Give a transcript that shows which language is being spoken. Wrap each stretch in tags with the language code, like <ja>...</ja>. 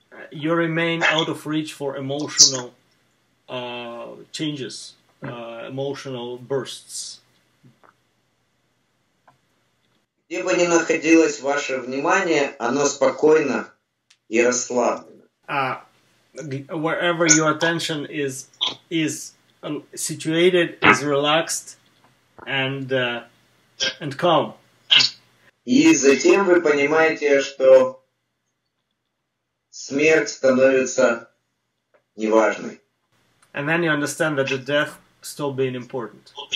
<en>you remain out of reach for emotional changes, emotional bursts.</en> <ru>Где бы ни находилось ваше внимание, оно спокойно и расслаблено.</ru> <en>Wherever your attention is situated, is relaxed and calm.</en> <ru>И затем вы понимаете, что смерть становится неважной.</ru> <en>And then you understand that the death still being important.</en>